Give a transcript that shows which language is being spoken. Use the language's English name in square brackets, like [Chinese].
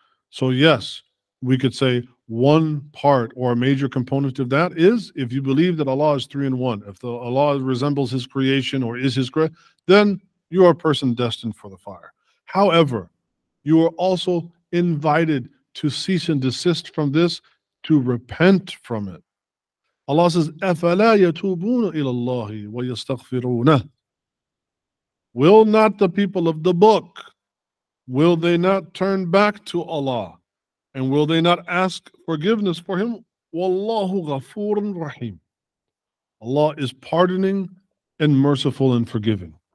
[English] So yes, we could say one part or a major component of that is if you believe that Allah is three in one, if Allah resembles His creation or is His creation, then you are a person destined for the fire. However, you are also invited to cease and desist from this, to repent from it. Allah says, [Arabic] أَفَلَا يَتُوبُونَ إِلَى اللَّهِ وَيَسْتَغْفِرُونَهُ. [English] Will not the people of the book, will they not turn back to Allah? And will they not ask forgiveness for Him? [Arabic] Wallahu ghafurun rahim. [English] Allah is pardoning and merciful and forgiving.